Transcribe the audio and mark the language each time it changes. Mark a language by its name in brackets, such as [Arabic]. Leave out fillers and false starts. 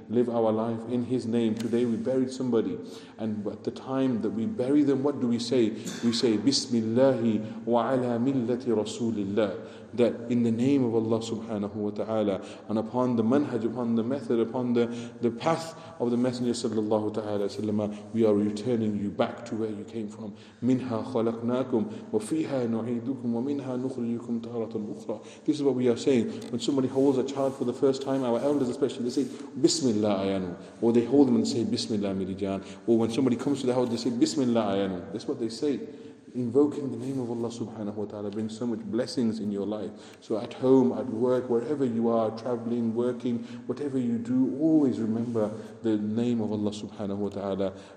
[English] Live our life in His name. Today we buried somebody, and at the time that we bury them, what do we say? We say, [Arabic] Bismillahi wa ala millati Rasulillah. [English] That in the name of Allah subhanahu wa ta'ala, and upon the manhaj, upon the method, upon the path of the Messenger sallallahu ta'ala sallam, we are returning you back to where you came from. [Arabic] Minha khalaqnakum وَفِيهَا نُعِيدُكُمْ وَمِنْهَا نُخْرِيُكُمْ تَارَةً أُخْرَى. [English] This is what we are saying. When somebody holds a child for the first time, our elders especially, they say, Bismillah ayanu. Or they hold them and say, Bismillah mirijan. Or when somebody comes to the house, they say, Bismillah ayanu. That's what they say. Invoking the name of Allah subhanahu wa ta'ala brings so much blessings in your life. So at home, at work, wherever you are, traveling, working, whatever you do, always remember the name of Allah subhanahu wa ta'ala.